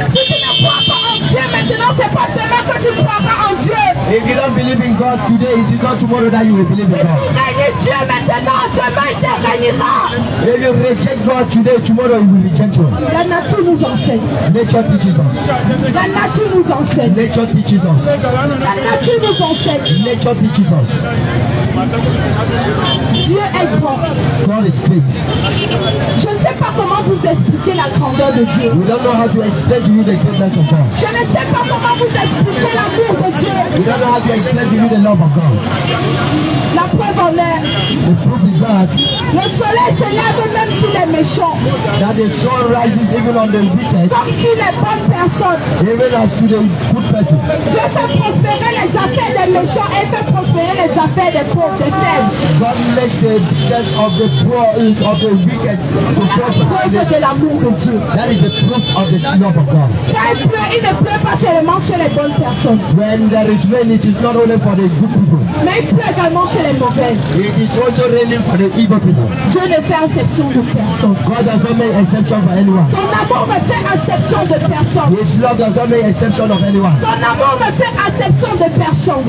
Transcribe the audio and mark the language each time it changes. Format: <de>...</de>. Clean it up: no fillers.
<fr>Si tu ne crois pas en Dieu maintenant, c'est pas demain que tu croiras en Dieu.</fr> <en>If you don't believe in God today, it is not tomorrow that you will believe in God.</en> <fr>Si tu règnes Dieu maintenant, demain tu règneras.</fr> <en>If you reject God today, tomorrow you will reject him.</en> <fr>La nature nous enseigne.</fr> <en>Nature teaches us.</en> <fr>La nature nous enseigne.</fr> <en>Nature teaches us.</en> <fr>La nature nous enseigne.</fr> <en>Nature teaches us.</en> <fr>Dieu est grand.</fr> <en>God is great.</en> <fr>Je ne sais pas comment vous expliquer la grandeur de Dieu.</fr> <en>We don't know how to explain to you the greatness of God.</en> <fr>Je ne sais pas comment vous expliquer l'amour de Dieu.</fr> <en>We don't know how to explain to you the love of God.</en> <fr>La preuve en est.</fr> <en>The proof is that.</en> <fr>Le soleil se lève même sur les méchants.</fr> <en>That the sun rises even on the wicked.</en> <fr>Comme sur les bonnes personnes.</fr> <en>Even as to the good person.</en> <fr>Dieu fait prospérer les affaires des méchants et fait prospérer les affaires des pauvres, des faibles.</fr> <en>God makes the business of the poor, of the wicked to prosper.</en> <fr>De l'amour de Dieu.</fr> <en>That is the proof of the love of God.</en> <fr>Quand il pleut, il ne pleut pas seulement sur les bonnes personnes.</fr> <en>When there is rain, it is not only for the good people.</en> <fr>Mais il pleut également chez les mauvais.</fr> <en>It is also raining for the evil people.</en> <fr>Dieu ne fait exception de personne.</fr> <en>God does not make exception for anyone.</en> <fr>Son amour ne fait exception de personne.</fr> <en>His love does not make exception of anyone.</en> <fr>Son amour ne fait exception de personne.</fr>